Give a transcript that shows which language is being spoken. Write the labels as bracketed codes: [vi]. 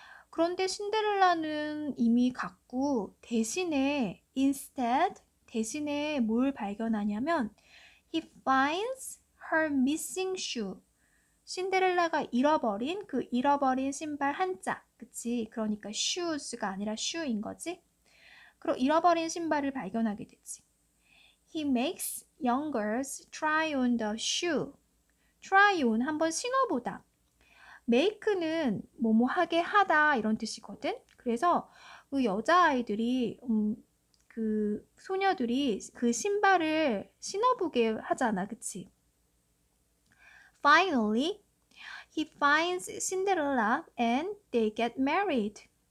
[ko] 그런데 신데렐라는 이미 갔고, 대신에 [en] instead, [ko] 대신에 뭘 발견하냐면 [en] He finds her missing shoe. [ko] 신데렐라가 잃어버린 그 잃어버린 신발 한짝, 그치? 그러니까 shoes가 아니라 shoe인 거지. 그리고 잃어버린 신발을 발견하게 되지. [en] He makes young girls try on the shoe. Try on, [ko] 한번 신어보다. Make는 뭐뭐 하게 하다 이런 뜻이거든. 그래서 그 여자아이들이 그 소녀들이 그 신발을 신어보게 하잖아, 그치? [en] Finally, he finds Cinderella and they get married.